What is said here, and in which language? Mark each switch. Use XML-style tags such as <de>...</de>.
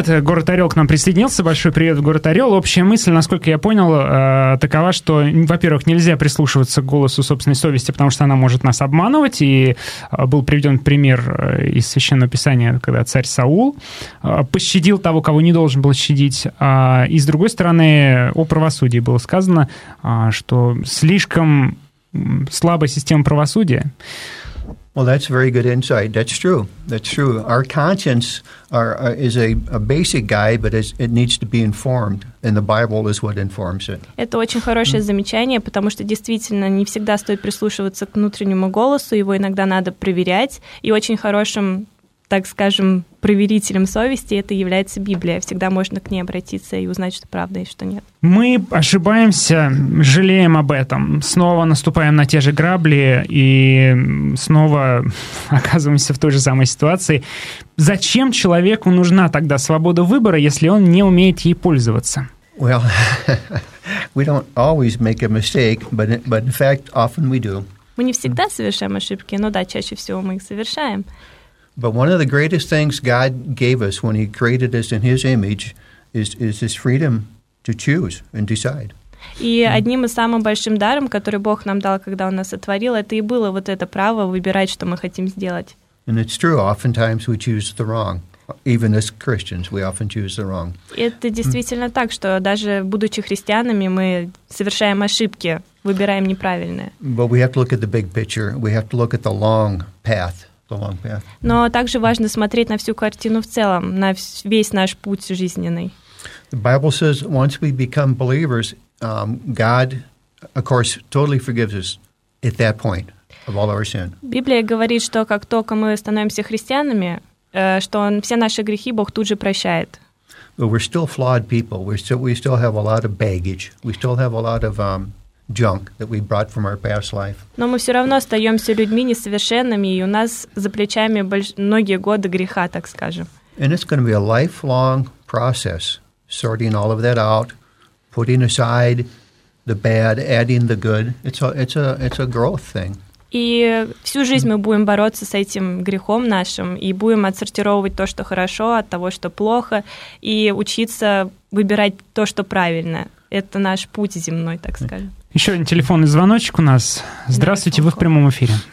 <ru>Это город Орел к нам присоединился. Большой привет в город Орел. Общая мысль, насколько я понял, такова, что, во-первых, нельзя прислушиваться к голосу собственной совести, потому что она может нас обманывать. И был приведен пример из Священного Писания, когда царь Саул пощадил того, кого не должен был щадить. И, с другой стороны, о правосудии было сказано, что слишком слабая система правосудия.</ru> <en>Well, that's very good insight. That's true. That's true. Our conscience is a basic guide, but it needs to be informed, and the Bible is what informs it.</en> <ru>Это очень хорошее замечание, потому что действительно не всегда стоит прислушиваться к внутреннему голосу, его иногда надо проверять, и очень хорошим, так скажем, проверителем совести это является Библия. Всегда можно к ней обратиться и узнать, что правда и что нет. Мы ошибаемся, жалеем об этом, снова наступаем на те же грабли и снова оказываемся в той же самой ситуации. Зачем человеку нужна тогда свобода выбора, если он не умеет ей пользоваться?</ru> <en>Well, we don't always make a mistake, but in fact, often we do.</en> <ru>Мы не всегда совершаем ошибки, но да, чаще всего мы их совершаем.</ru> <en>But one of the greatest things God gave us when he created us in his image is this freedom to choose and decide.</en> <ru>И одним из самых больших даров, который Бог нам дал, когда он нас сотворил, это и было вот это право выбирать, что мы хотим сделать.</ru> <en>And it's true, oftentimes we choose the wrong. Even as Christians, we often choose the wrong.</en> <ru>Это действительно так, что даже будучи христианами, мы совершаем ошибки, выбираем неправильное.</ru> <en>But we have to look at the big picture. We have to look at the long path.</en> <ru>Но также важно смотреть на всю картину в целом, на весь наш путь жизненный.</ru> <en>The Bible says once we become believers, God, of course, totally forgives us at that point of all our sin.</en> <ru>Библия говорит, что как только мы становимся христианами, что все наши грехи Бог тут же прощает.</ru> <en>But we're still flawed people. We still have a lot of baggage. We still have a lot of junk that we brought from our past life.</en> <ru>Но мы все равно остаемся людьми несовершенными, и у нас за плечами многие годы греха, так скажем.</ru> <en>And it's going to be a lifelong process, sorting all of that out, putting aside the bad, adding the good. It's a growth thing.</en> <ru>И всю жизнь мы будем бороться с этим грехом нашим, и будем отсортировывать то, что хорошо, от того, что плохо, и учиться выбирать то, что правильно. Это наш путь земной, так скажем. Еще один телефонный звоночек у нас. Здравствуйте, вы в прямом эфире.</ru>